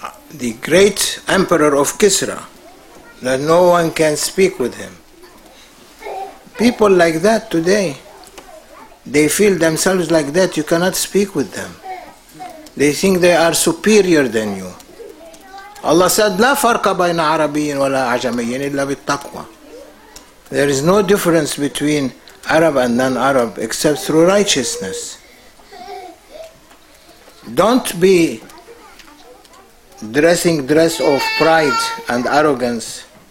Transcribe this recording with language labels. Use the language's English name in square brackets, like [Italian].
[English] The great emperor of Kisra, that no one can speak with him. People like that today, they feel themselves like that, you cannot speak with them. They think they are superior than you. Allah said, [Arabic] لا فرق بين عربي ولا عجمي إلا بالتقوى. [English] There is no difference between Arab and non-Arab except through righteousness. Don't be dressing dress of pride and arrogance.